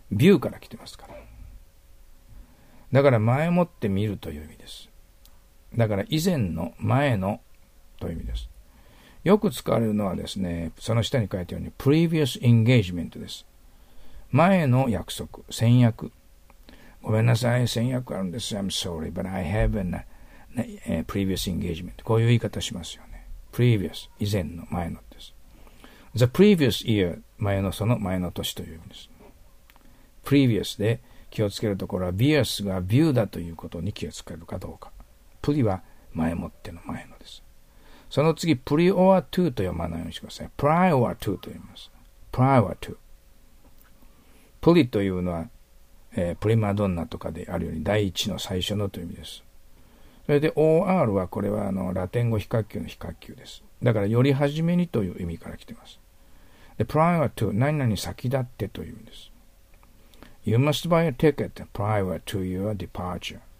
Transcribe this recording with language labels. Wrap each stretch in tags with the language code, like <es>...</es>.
<ja>view から来てますから、だから前もって見るという意味です。だから以前の、前のという意味です。よく使われるのはですね、その下に書いてあるように previous engagement です。前の約束、先約。ごめんなさい、先約あるんです。</ja> <en>I'm sorry, but I have a previous engagement。</en> <ja>こういう言い方しますよね。 previous、 以前の、前のです。the previous year、 前のその、前の年という意味です。 previous で気をつけるところは、 vs が view だということに気をつけるかどうか。 pre は前もっての、前のです。その次、 pre or to と読まないようにしてください。 prior to と言います。 prior toプリというのは、プリマドンナとかであるように第一の、最初のという意味です。それで OR はこれはラテン語比較級の比較級です。だからより初めにという意味から来ています。で、prior to 何々先立ってという意味です。</ja> <en>You must buy a ticket prior to your departure。</en>